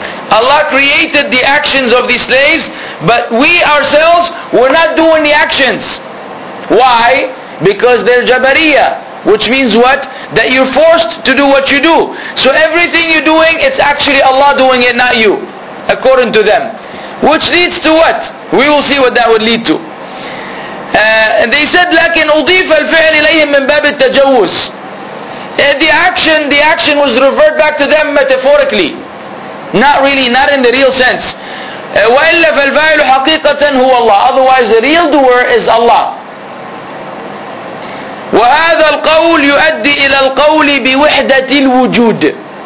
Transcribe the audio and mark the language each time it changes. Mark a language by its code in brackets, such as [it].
[en] Allah created the actions of the slaves, but we ourselves, we're not doing the actions. Why? Because they're Jabariyya. Which means what? That you're forced to do what you do. So everything you're doing, it's actually Allah doing it, not you. According to them. Which leads to what? We will see what that would lead to. [ar] And they said, لَكِنْ أُضِيفَ الْفِعْلِ إِلَيْهِمْ مِنْ بَابِ التَّجَوُّزِ. [en] The action was referred back to them metaphorically. Not really, not in the real sense. [ar] وَإِلَّا فَالْفَعْلُ حَقِيقَةً هُوَ اللَّهِ. [en] Otherwise the real doer is Allah. [ar] وَهَذَا الْقَوْلِ يُؤَدِّي إِلَى الْقَوْلِ بِوِحْدَةِ الْوُجُودِ.